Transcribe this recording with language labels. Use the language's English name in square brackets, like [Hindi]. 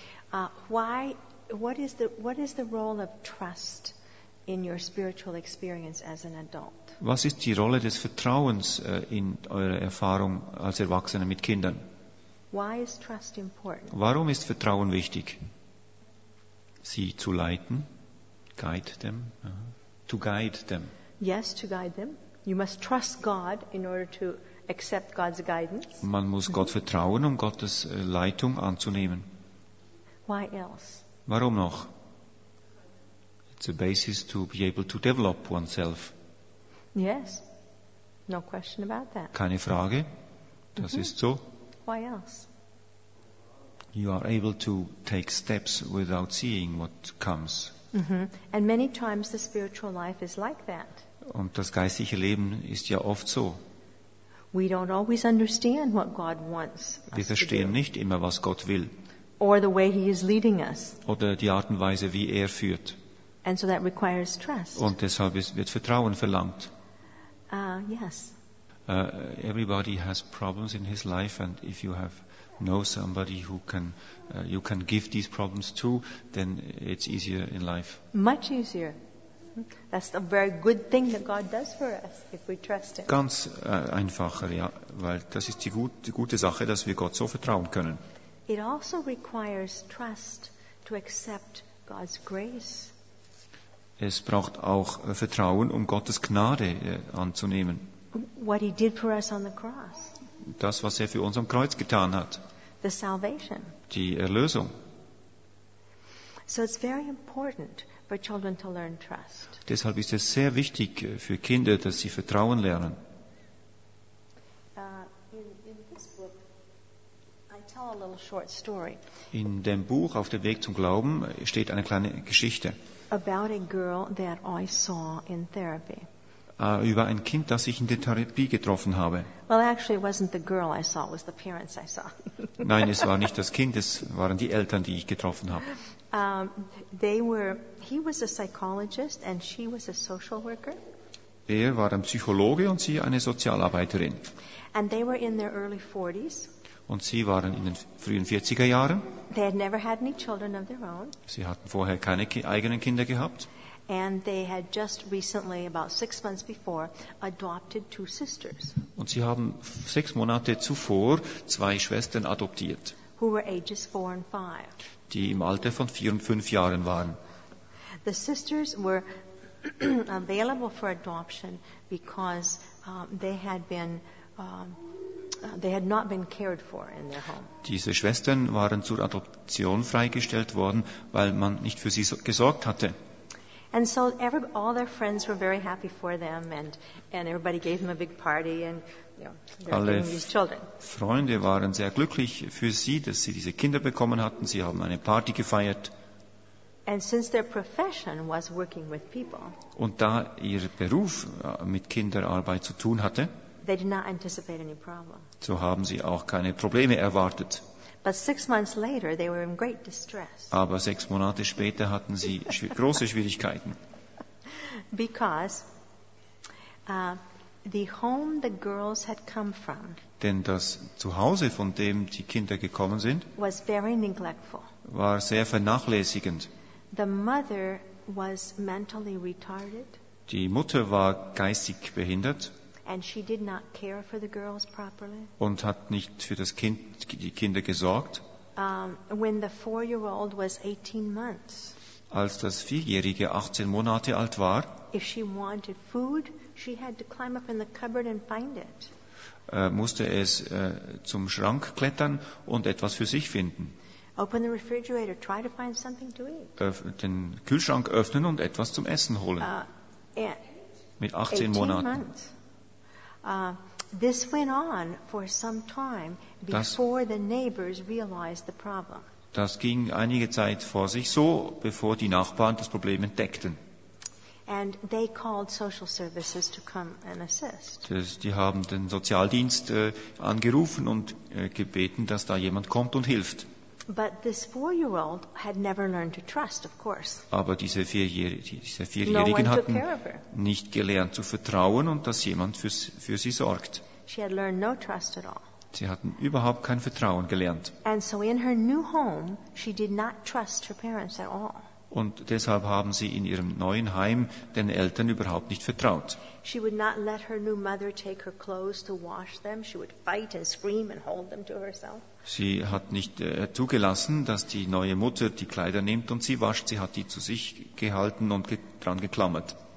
[English] What is the role of trust in your spiritual experience as an adult? [German] Was ist die Rolle des Vertrauens in eurer Erfahrung als Erwachsene mit Kindern? [English] Why is trust important? [German] Warum ist Vertrauen wichtig? Sie zu leiten, [English] guide them, to guide them. Yes, to guide them. You must trust God in order to accept God's guidance. [German] Man muss Gott vertrauen, um Gottes Leitung anzunehmen. [English] Why else? [German] Warum noch? [English] It's a basis to be able to develop oneself. Yes, no question about that. [German] Keine Frage, das ist so. [English] Why else? You are able to take steps without seeing what comes. And many times the spiritual life is like that. [German] Und das geistliche Leben ist ja oft so. [English] We don't always understand what God wants. [German] Wir verstehen nicht immer, was Gott will. [English] Or the way he is leading us. [German] Oder die Art und Weise, wie er führt. [English] And so that requires trust. [German] Und deshalb wird Vertrauen verlangt. [English] Yes. Everybody has problems in his life, and if you have know somebody who can you can give these problems to, then it's easier in life. Much easier. That's a very good thing that God does for us if we trust him. [German] Ganz einfacher, ja, weil das ist die gute Sache, dass wir Gott so vertrauen können. [English] It also requires trust to accept God's grace. [German] Es braucht auch Vertrauen, um Gottes Gnade anzunehmen. [English] What he did for us on the cross. [German] Das, was er für uns am Kreuz getan hat. [English] The salvation. [German] Die Erlösung. [English] So it's very important for children to learn trust. [German] Deshalb ist es sehr wichtig für Kinder, dass sie Vertrauen lernen. [English] In this book, I tell a little short story. [German] In dem Buch Auf dem Weg zum Glauben steht eine kleine Geschichte. [English] About a girl that I saw in therapy. [German] Über ein Kind, das ich in der Therapie getroffen habe. [English] Well, actually, it wasn't the girl I saw, it was the parents I saw. [German] Nein, es war nicht das Kind, es waren die Eltern, die ich getroffen habe. [English] He was a psychologist and she was a social worker. [German] Er war ein Psychologe und sie eine Sozialarbeiterin. [English] And they were in their early 40s. [German] Und sie waren in den frühen 40er Jahren. [English] They had never had any children of their own. [German] Sie hatten vorher keine eigenen Kinder gehabt. [English] And they had just recently, about 6 months before, adopted two sisters. [German] Und sie haben 6 Monate zuvor zwei Schwestern adoptiert. [English] Who were ages 4 and 5. [German] Die im Alter von 4 und 5 Jahren waren. [English] The sisters were available for adoption because they had not been cared for in their home. [German] Diese Schwestern waren zur Adoption freigestellt worden, weil man nicht für sie gesorgt hatte. [English] And so all their friends were very happy for them, and everybody gave them a big party, and [German] alle [English] these children. [German] Freunde waren sehr glücklich für sie, dass sie diese Kinder bekommen hatten. Sie haben eine Party gefeiert. [English] And since their profession was working with people, [German] und da ihr Beruf mit Kinderarbeit zu tun hatte, [English] they did not anticipate any problem. [German] So haben sie auch keine Probleme erwartet. [English] But 6 months later, they were in great distress. [German] Aber 6 Monate später hatten sie große Schwierigkeiten. [English] Because the home the girls had come from, [German] denn das Zuhause, von dem die Kinder gekommen sind, [English] was very neglectful. [German] War sehr vernachlässigend. [English] The mother was mentally retarded. [German] Die Mutter war geistig behindert. [English] And she did not care for the girls properly. [German] Und hat nicht für das Kind, die Kinder gesorgt. [English] When the 4-year-old was 18 months. [German] Als das Vierjährige 18 Monate alt war. [English] If she wanted food, she had to climb up in the cupboard and find it. [German] Musste es zum Schrank klettern und etwas für sich finden. [English] Open the refrigerator, try to find something to eat. [German] Den Kühlschrank öffnen und etwas zum Essen holen. Mit 18 Monaten. [English] Months. This went on for some time before the neighbors realized the problem. [German] Das ging einige Zeit vor sich so, bevor die Nachbarn das Problem entdeckten. [English] And they called social services to come and assist. [German] Die haben den Sozialdienst angerufen und gebeten, dass da jemand kommt und hilft. [English] But this 4-year-old had never learned to trust, of course. [German] Aber diese vierjährigen hatten nicht gelernt zu vertrauen und dass jemand für sie sorgt. [English] She had learned no trust at all. [German] Sie hatten überhaupt kein Vertrauen gelernt. [English] And so in her new home, she did not trust her parents at all. [German] Und deshalb haben sie in ihrem neuen Heim den Eltern überhaupt nicht vertraut. [English] She would not let her new mother take her clothes to wash them. She would fight and scream and hold them to herself. [German] Sie hat nicht zugelassen, dass die neue Mutter die Kleider nimmt und sie wascht. Sie hat die zu sich gehalten und dran geklammert.